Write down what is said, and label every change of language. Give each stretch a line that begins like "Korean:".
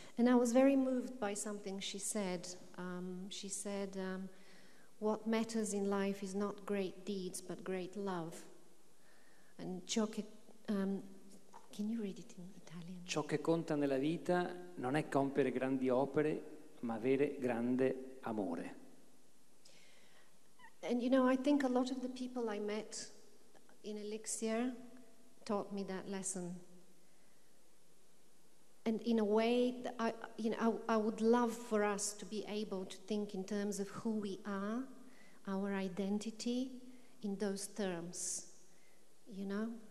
English: And I was very moved by something she said. She said, what matters in life is not great deeds, but great love. And
Italian: ciò che...
English: can you read it in Italian?
Italian: Ciò che conta nella vita non è compiere grandi opere, ma avere grande amore.
English: And you know, I think a lot of the people I met in Elixir taught me that lesson. And in a way, I would love for us to be able to think in terms of who we are, our identity, in those terms, you know?